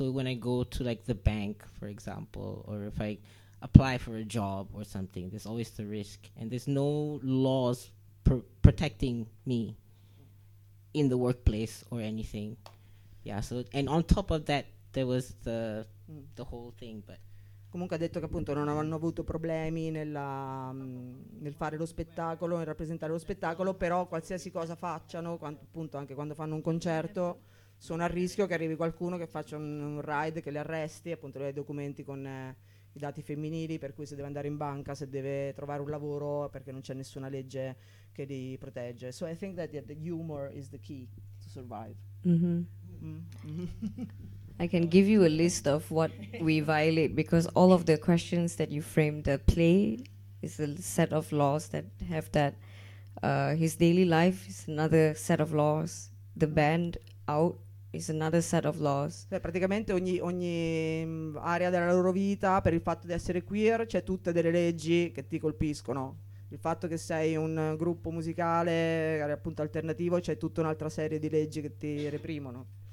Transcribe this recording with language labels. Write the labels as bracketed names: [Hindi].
[English] So when I go to like the bank, for example, or if I apply for a job or something, there's always the risk, and there's no laws protecting me in the workplace or anything. Yeah. So and on top of that, there was the whole thing. But [Italian] comunque ha detto che appunto non hanno avuto problemi nel fare lo spettacolo, nel rappresentare lo spettacolo, però qualsiasi cosa facciano, appunto anche quando fanno un concerto, sono a rischio che arrivi qualcuno che faccia un raid, che li arresti, appunto i documenti con i dati femminili, per cui se deve andare in banca, se deve trovare un lavoro, perché non c'è nessuna legge che li protegge. [English] So I think that the humor is the key to survive. I can give you a list of what we violate, because all of the questions that you framed the play is a set of laws that have that. His daily life is another set of laws. The band out is another set of laws. [Italian] Praticamente ogni area della loro vita, per il fatto di essere queer, c'è tutte delle leggi che ti colpiscono. il fatto che sei un gruppo musicale appunto alternativo, c'è tutta un'altra serie di leggi che ti reprimono.